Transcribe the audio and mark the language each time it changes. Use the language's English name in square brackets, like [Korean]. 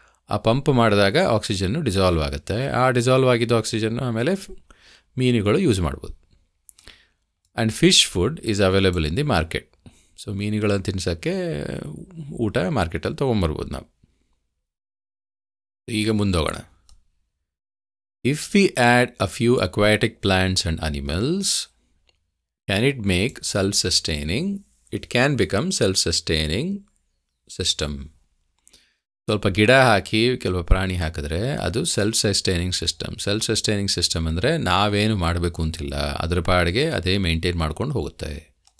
[Kannada] ಆ ಪಂಪ್ ಮಾಡಿದಾಗ ಆಕ್ಸಿಜನ್ನು ಡಿಸಾಲ್ವ್ ಆಗುತ್ತೆ. ಆ ಡಿಸಾಲ್ವ್ ಆಗಿದ್ದ ಆಕ್ಸಿಜನ್ನು ಆಮೇಲೆ ಮೀನುಗಳು ಯೂಸ್ ಮಾಡ್ಬೋದು. [English] And fish food is available in the market. [Kannada] So ಮೀನುಗಳನ್ನು ತಿನ್ಸೋಕ್ಕೆ ಊಟ ಮಾರ್ಕೆಟಲ್ಲಿ ತೊಗೊಂಬರ್ಬೋದು ನಾವು. ಈಗ ಮುಂದೋಗೋಣ. [English] If we add a few aquatic plants and animals, can it make self-sustaining? It can become self-sustaining system. [Kannada] ಸ್ವಲ್ಪ ಗಿಡ ಹಾಕಿ ಕೆಲವು ಪ್ರಾಣಿ ಹಾಕಿದ್ರೆ ಅದು ಸೆಲ್ಫ್-ಸಸ್ಟೈನಿಂಗ್ ಸಿಸ್ಟಮ್. ಸೆಲ್ಫ್-ಸಸ್ಟೈನಿಂಗ್ ಸಿಸ್ಟಮ್ ಅಂದರೆ ನಾವೇನು ಮಾಡಬೇಕು ಅಂತಿಲ್ಲ, ಅದರ ಪಾಡಿಗೆ ಅದೇ ಮೇಂಟೈನ್ ಮಾಡ್ಕೊಂಡು ಹೋಗುತ್ತೆ.